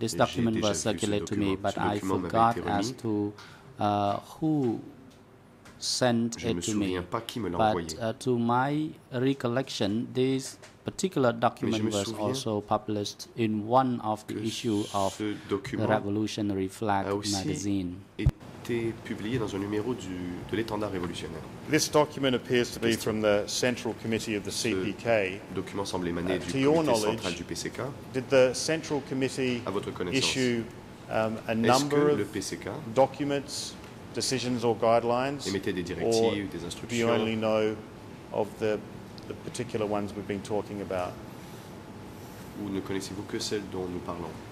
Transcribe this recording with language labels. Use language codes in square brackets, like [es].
[en] This document was circulated to me, but I forgot as to who sent it to me. But to my recollection, this particular document was also published in one of the issues of the Revolutionary Flag magazine. [fr] Été publié dans un numéro de l'étendard révolutionnaire. [en] This document appears to be from the Central Committee of the CPK. [fr] Ce document semble émaner du comité central du PCK. [en] Did the Central Committee [fr] à votre connaissance, [en] issue a number of documents, decisions or guidelines? [fr] Émettait des directives, des instructions? [en] Do you only know of the particular ones we've been talking about? [fr] Ou ne connaissez-vous que celles dont nous parlons?